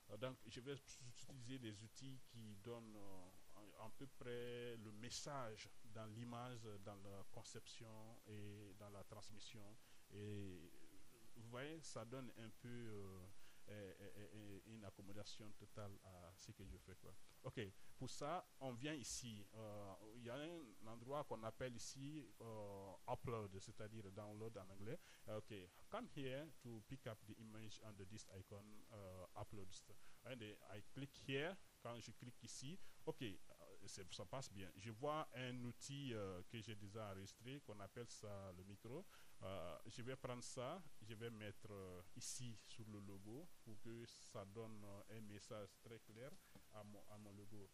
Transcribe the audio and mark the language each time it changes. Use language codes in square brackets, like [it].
[fr] Donc je vais utiliser des outils qui donnent à peu près le message dans l'image, dans la conception et dans la transmission. Et vous voyez, ça donne un peu une accommodation totale à ce que je fais quoi. Ok, pour ça on vient ici. Il y a un endroit qu'on appelle ici upload, c'est-à-dire download en anglais. [en] Okay, come here to pick up the image under this icon, uploads. And I click here. [fr] Quand je clique ici, ok, ça passe bien. Je vois un outil que j'ai déjà enregistré, qu'on appelle ça le micro. Je vais prendre ça, je vais mettre ici sur le logo pour que ça donne un message très clair à mon logo.